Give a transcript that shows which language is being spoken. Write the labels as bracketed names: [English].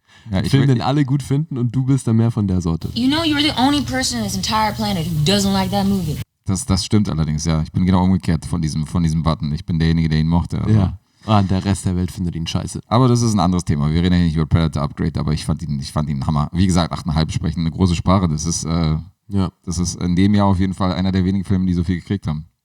[German] Ja, ich will den alle gut finden und du bist dann mehr von der Sorte. [English] You know, you're the only person on this entire planet who doesn't like that movie. [German] Das stimmt allerdings, ja. Ich bin genau umgekehrt von diesem Button. Ich bin derjenige, der ihn mochte. Aber. Ja. Ah, der Rest der Welt findet ihn scheiße. Aber das ist ein anderes Thema. Wir reden ja nicht über Predator Upgrade, aber ich fand ihn Hammer. Wie gesagt, 8,5 sprechen eine große Sprache. Das ist, das ist in dem Jahr auf jeden Fall einer der wenigen Filme, die so viel gekriegt haben.